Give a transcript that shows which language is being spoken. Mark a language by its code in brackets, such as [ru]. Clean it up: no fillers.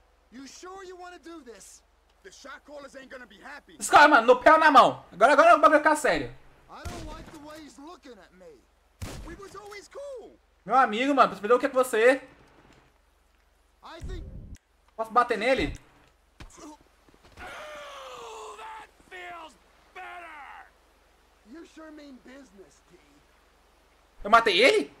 [en] You sure you wanna do this? The shot callers ain't gonna be happy. [pt] Escolha, mano, no pé ou na mão. Agora o bagulho vai ficar sério. [en] I don't like the way he's looking at me. We was always cool. [pt] Meu amigo, mano, você perdeu o que é com você? Posso bater nele? [en] That feels better. You sure mean business, D. [pt] Eu matei ele?